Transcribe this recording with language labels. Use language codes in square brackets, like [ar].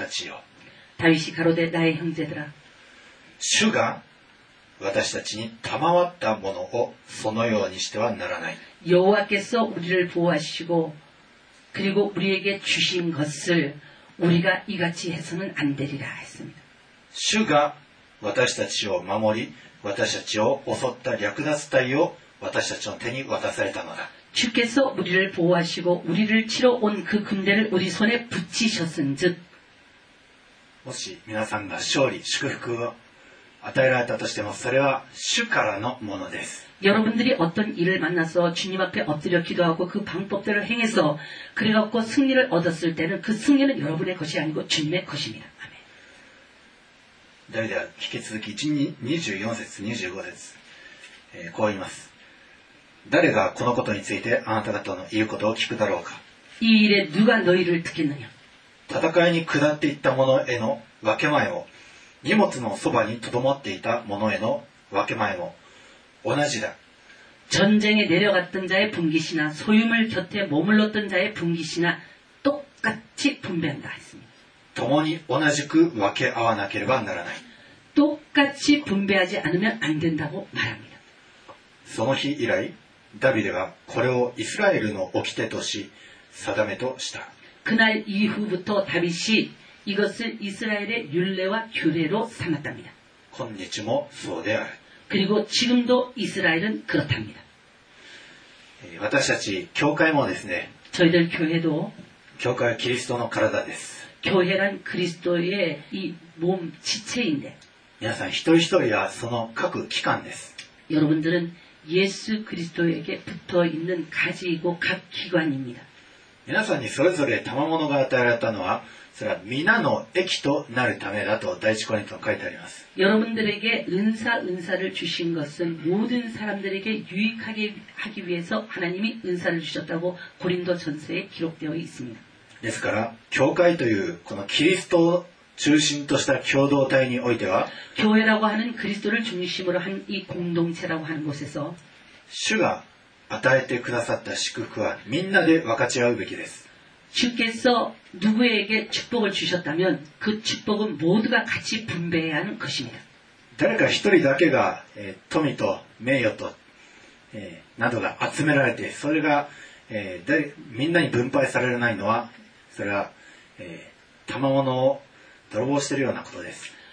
[ko] 다윗이 가로되 나의 형제들아 주가 [ja] 私たちに賜ったものをそのようにしてはならない。 [ko] 여호와께서 우리를 보호하시고 그리고 우리에게 주신 것을 우리가 이같이 해서는 안 되리라 했습니다. 주가 [ja] 私たちを守り私たちを襲った略奪隊を私たちの手に渡されたのだ。 [ko] 주께서 우리를 보호하시고 우리를 치러 온 그 군대를 우리 손에 붙이셨은즉 [ja] もし皆さんが勝利祝福を与えられたとしてもそれは主からのものです。 [ko] 여러분들이 어떤 일을 만나서 주님 앞에 엎드려 기도하고 그 방법대로 행해서 그래갖고 승리를 얻었을 때는 그 승리는 여러분의 것이 아니고 주님의 것입니다. 아멘. 다윗이 계속 24절 25절에 [ja] こう言います誰がこのことについてあなた方の言うことを聞くだろうか。 [ko] 이 일에 누가 너희를 듣겠느냐. [ja] 戦いに下っていった者への分け前も荷物のそばに留まっていた者への分け前も 同じだ。 [ko] 전쟁에 내려갔던 자의 분깃이나 소유물 곁에 머물렀던 자의 분깃이나 똑같이 분배한다 했습니다. 동원이 [ja] 同じく分け合わなければならない。 [ko] 깨끗이분배하지않으면안된다고말합니다 [ja] その日以来ダビデはこれをイスラエルの掟とし定めとした [ko] 그날이후부터다윗이이것을이스라엘의율례와규례로삼았답니다 [ja] 今日もそうである [ko] 그리고지금도이스라엘은그렇답니다 [ja] 私たち教会もですね [ko] 저희들교회도 [ja] 教会はキリストの体です [ko] 교회란그리스도의이몸지체인데 [ja] 皆さん一人一人はその各器官です [ko] 여러분들은예수그리스도에게붙어있는가지이고각기관입니다 [ja] 皆さんにそれぞれ賜物が与えられたのはそれは皆の益となるためだと第一コリントに書いてあります [ko] 여러분들에게은사은사를주신것은모든사람들에게유익하게하기위해서하나님이은사를주셨다고고린도전서에기록되어있습니다 [ja] ですから教会というこのキリストを中心とした共同体においては [ko] 교회라고하는그리스도를중심으로한이공동체라고하는곳에서 [ja] 主が与えてくださった祝福はみんなで分かち合うべきです [ko] 주께서누구에게축복을주셨다면그축복은모두가같이분배해야하는것입니다 [ja] 誰か一人だけが富と名誉となどが集められてそれがみんなに分配されないのはそれは賜物を泥棒しているようなことです